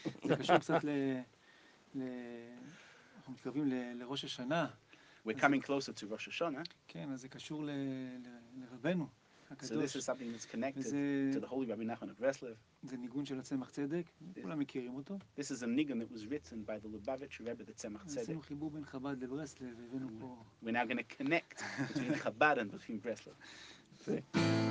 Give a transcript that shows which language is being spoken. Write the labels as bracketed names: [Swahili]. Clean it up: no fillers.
[Hebrew] זה קשור קצת אנחנו מתקרבים לראש השנה. [English] We're coming closer to Rosh Hashanah. [Hebrew] כן, אז זה קשור לרבנו, [English] So this is something that's connected to the Holy Rabbi Nachman of Breslev. [Hebrew] זה ניגון של הצמח צדק, כולם מכירים אותו. [English] This is a nigun that was written by the Lubavitch Rebbe, the Tzemach Tzedek. [Hebrew] עשינו חיבור בין חב"ד לברסלב, הבאנו פה. [English] We're now going to connect between Chabad and between Breslev.